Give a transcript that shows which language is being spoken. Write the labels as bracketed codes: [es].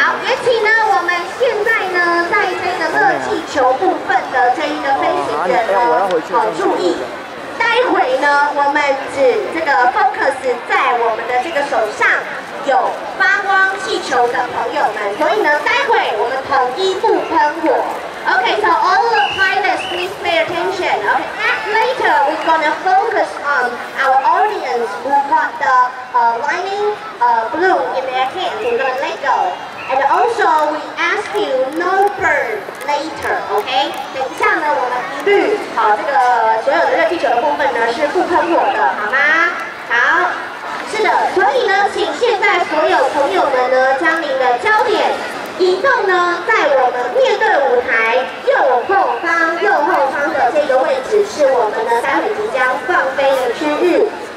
[zh] 好，也请呢，我们现在呢，在这个热气球部分的这一个飞行员呢，我要回去，好注意。待会呢，我们只这个 focus 在我们的这个手上有发光气球的朋友们，所以呢，待会我们统一不喷火。 [en] Okay, so all the pilots, please pay attention. Okay, later we're gonna focus on our audience who got the lightning blue in their hands. We're gonna let go. And also, we ask you no burn later. [zh] Okay, 等一下呢，我们一律好，这个所有的热气球的部分呢是不喷火的，好吗？好，是的。所以呢，请现在所有朋友们呢，将您的焦点。移动呢，在我们面对舞台右后方的这个位置，是我们呢待会即将放飞的区域。